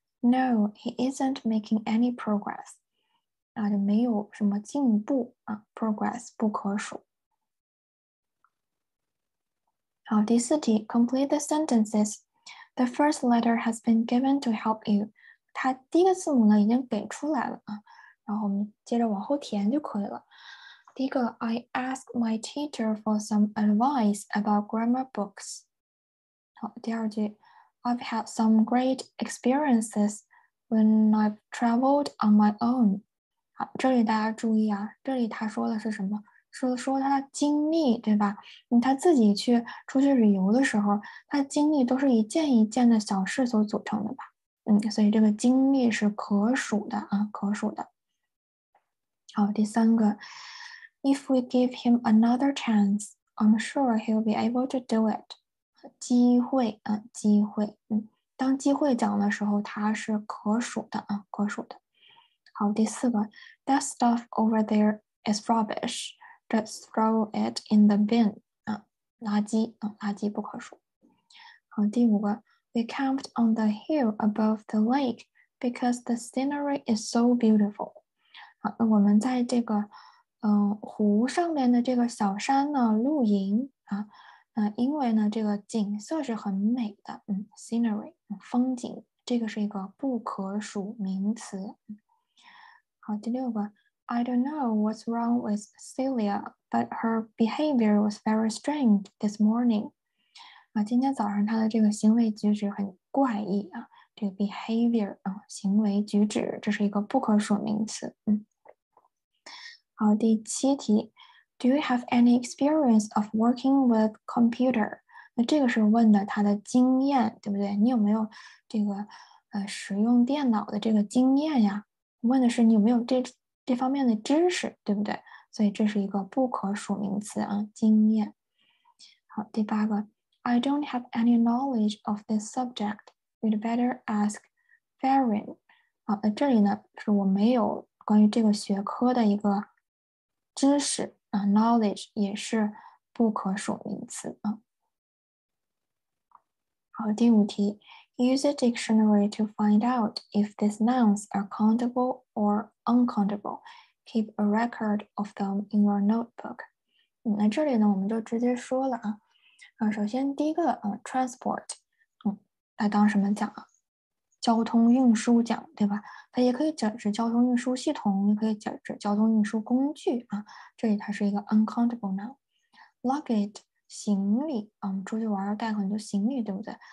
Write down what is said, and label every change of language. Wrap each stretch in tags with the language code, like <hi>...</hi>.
<en>No, he isn't making any progress。</en> <zh>就没有什么进步啊，</zh> <en>progress 不可数。</en> <zh>好，第四题，</zh> <en>complete the sentences。 The first letter has been given to help you。</en> <zh>它第一个字母呢已经给出来了啊，然后我们接着往后填就可以了。第一个，</zh> <en>I asked my teacher for some advice about grammar books。</en> <zh>好，第二句，</zh> <en>I've had some great experiences when I've traveled on my own。</en> <zh>好，这里大家注意啊，这里他说的是什么？说他的经历，对吧？他自己去出去旅游的时候，他的经历都是一件一件的小事所组成的吧？所以这个经历是可数的啊，可数的。好，第三个。</zh> <en>If we give him another chance, I'm sure he'll be able to do it.</en> <zh>机会啊，机会，当机会讲的时候，它是可数的啊，可数的。好，第四个，</zh> <en>That stuff over there is rubbish. Just throw it in the bin.</en> <zh>垃圾啊，垃圾不可数。好，第五个，</zh> <en>We camped on the hill above the lake because the scenery is so beautiful.</en> <zh>那我们在这个湖上面的这个小山呢，露营啊，因为呢，这个景色是很美的，scenery，风景，这个是一个不可数名词。好，第六个，</zh> <en>I don't know what's wrong with Celia, but her behavior was very strange this morning。</en> <zh>啊，今天早上她的这个行为举止很怪异啊，这个 behavior 啊，行为举止，这是一个不可数名词，好，第七题，</zh> <en>Do you have any experience of working with computer？</en> <zh>那这个是问的他的经验，对不对？你有没有这个使用电脑的这个经验呀？问的是你有没有这方面的知识，对不对？所以这是一个不可数名词啊，经验。好，第八个，</zh> <en>I don't have any knowledge of this subject. You'd better ask Farin。</en> <zh>好，那这里呢是我没有关于这个学科的一个知识啊，knowledge 也是不可数名词啊。好，第五题，</zh> <en>use a dictionary to find out if these nouns are countable or uncountable. Keep a record of them in your notebook.</en> <zh>那这里呢，我们就直接说了啊。首先第一个transport，它当什么讲啊？交通运输讲，对吧？它也可以解释交通运输系统，也可以解释交通运输工具啊。这里它是一个</zh> <en>uncountable noun。</en> <zh>Luggage 行李，出去玩带很多行李，对不对？</zh>